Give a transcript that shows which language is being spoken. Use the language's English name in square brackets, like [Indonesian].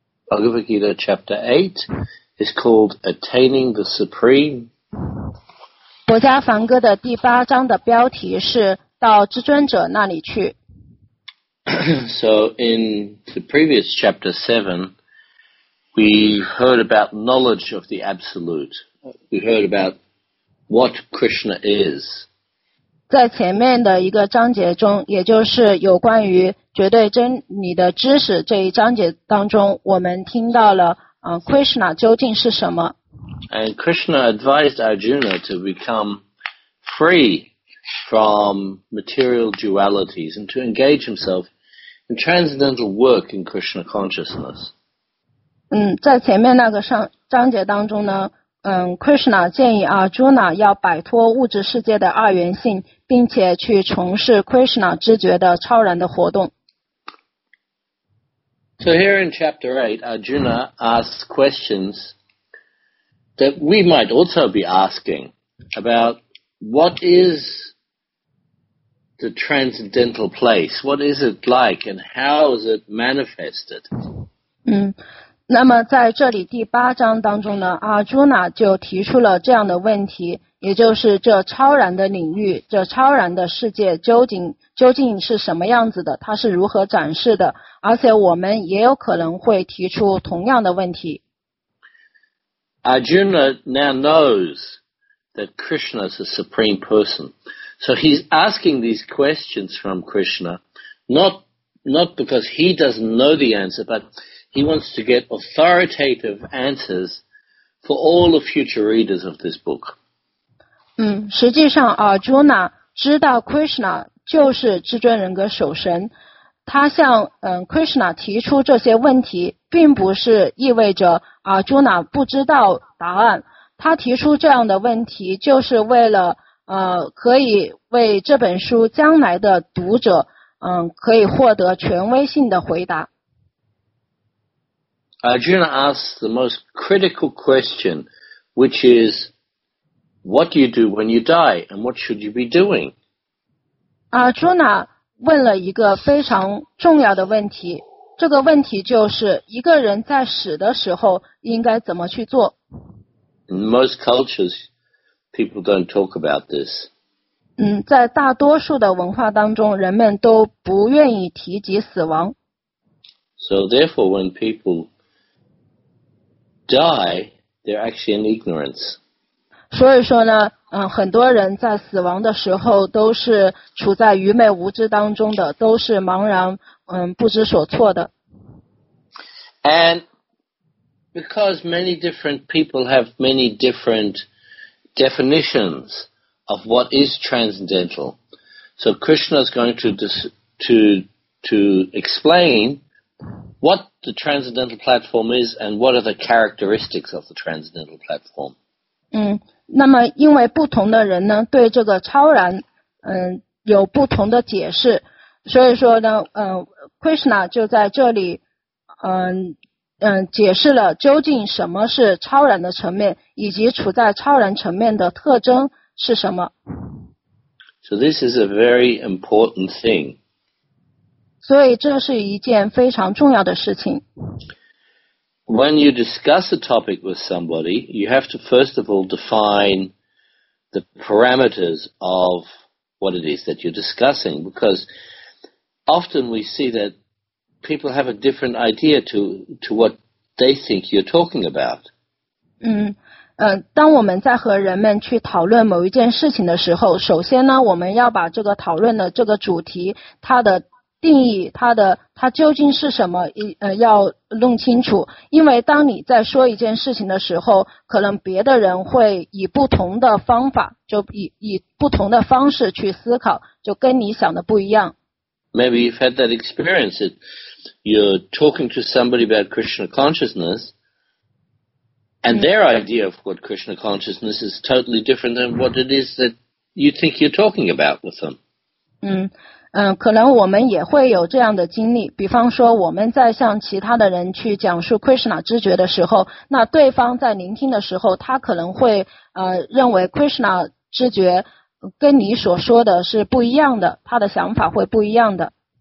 [English] Bhagavad Gita Chapter 8 is called Attaining the Supreme. [Chinese] 博迦梵歌的第八章的标题是到至尊者那里去。 [English] So in the previous Chapter 7, we heard about knowledge of the Absolute. We heard about what Krishna is. [Chinese] 在前面的一个章节中，也就是有关于绝对真理的知识这一章节当中，我们听到了Krishna 究竟是什么。 [English] And Krishna advised Arjuna to become free from material dualities and to engage himself in transcendental work in Krishna consciousness. [Chinese] 在前面那个章节当中呢，Krishna 建议Arjuna 要摆脱物质世界的二元性，并且去从事 Krishna 知觉的超然的活动。 [English] So here in Chapter 8, Arjuna asks questions that we might also be asking about what is the transcendental place? What is it like and how is it manifested? [Chinese] 那么在这里第八章当中呢，阿朱纳就提出了这样的问题，也就是这超然的领域，这超然的世界究竟是什么样子的，它是如何展示的，而且我们也有可能会提出同样的问题。 [English] Arjuna now knows that Krishna is a supreme person. So he's asking these questions from Krishna, not because he doesn't know the answer, but he wants to get authoritative answers for all the future readers of this book. [Chinese] 实际上Arjuna知道 Krishna 就是至尊人格守神，他向Krishna 提出这些问题，并不是意味着Arjuna 不知道答案，他提出这样的问题就是为了可以为这本书将来的读者可以获得权威性的回答。 [English] Arjuna asks the most critical question, which is, what do you do when you die, and what should you be doing? [Chinese] Arjuna 问了一个非常重要的问题，这个问题就是一个人在死的时候应该怎么去做。 [English] In most cultures, people don't talk about this. [Chinese] 在大多数的文化当中，人们都不愿意提及死亡。 [English] So therefore, when people die, they're actually in ignorance. [Chinese] 所以说呢，很多人在死亡的时候都是处在愚昧无知当中的，都是茫然，不知所措的。 [English] And because many different people have many different definitions of what is transcendental, so Krishna is going to explain what the transcendental platform is and what are the characteristics of the transcendental platform. [Chinese] 那么因为不同的人呢对这个超然有不同的解释，所以说呢Krishna 就在这里解释了究竟什么是超然的层面，以及处在超然层面的特征是什么。 [English] So this is a very important thing. [Chinese] 所以这是一件非常重要的事情。 [English] When you discuss a topic with somebody, you have to first of all define the parameters of what it is that you're discussing, because often we see that people have a different idea to what they think you're talking about. [Chinese] 当我们在和人们去讨论某一件事情的时候，首先呢，我们要把这个讨论的这个主题它的定义它的它究竟是什么，要弄清楚。因为当你在说一件事情的时候，可能别的人会以不同的方法，就以不同的方式去思考，就跟你想的不一样。 [English] Maybe you've had that experience that you're talking to somebody about Krishna consciousness, and their idea of what Krishna consciousness is totally different than what it is that you think you're talking about with them. [Chinese] 可能我们也会有这样的经历，比方说我们在向其他的人去讲述 Krishna 知觉的时候，那对方在聆听的时候，他可能会认为 Krishna 知觉跟你所说的是不一样的，他的想法会不一样的。